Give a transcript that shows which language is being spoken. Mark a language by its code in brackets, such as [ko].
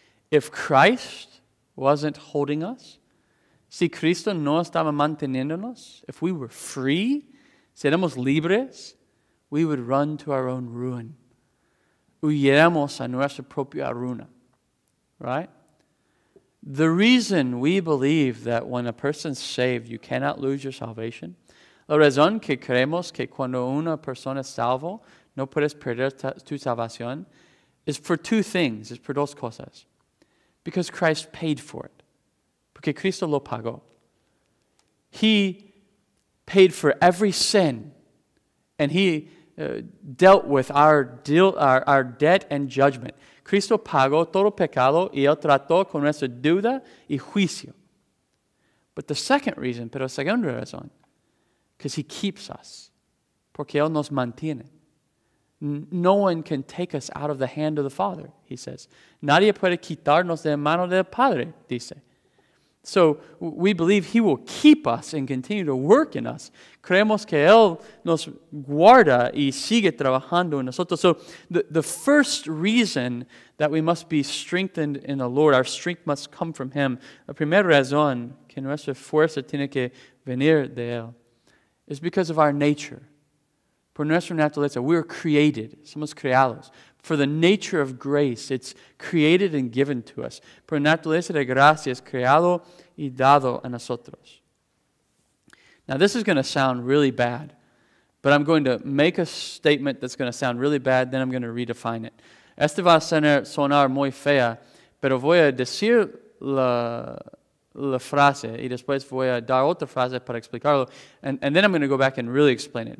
[en] If Christ wasn't holding us, [es] si Cristo no estaba manteniéndonos, [en] if we were free, [es] si éramos libres, [en] we would run to our own ruin. [es] Huyéramos a nuestra propia ruina. Right? [en] The reason we believe that when a person's saved, you cannot lose your salvation. [es] La razón que creemos que cuando una persona es salvo, no puedes perder tu salvación, [en] is for two things, [es] is por dos cosas. [en] Because Christ paid for it. [es] Porque Cristo lo pagó. [en] He paid for every sin. And he dealt with our debt and judgment. [es] Cristo pagó todo pecado y él trató con nuestra deuda y juicio. [en] But the second reason, [es] pero la segunda razón, [en] because he keeps us. [es] Porque él nos mantiene. [en] No one can take us out of the hand of the Father, he says. [es] Nadie puede quitarnos de la mano del Padre, dice. [en] So we believe he will keep us and continue to work in us. [es] Creemos que él nos guarda y sigue trabajando en nosotros. [en] So the first reason that we must be strengthened in the Lord, our strength must come from him. [es] La primera razón que nuestra fuerza tiene que venir de él [en] is because of our nature. For [es] nuestra naturaleza, [en] we are created. [es] Somos creados. [en] For the nature of grace, it's created and given to us. [es] Por naturaleza de gracia, es creado y dado a nosotros. [en] Now, this is going to sound really bad, but I'm going to make a statement that's going to sound really bad, then I'm going to redefine it. [es] Este va a sonar muy fea, pero voy a decir la frase, y después voy a dar otra frase para explicarlo, [en] and then I'm going to go back and really explain it.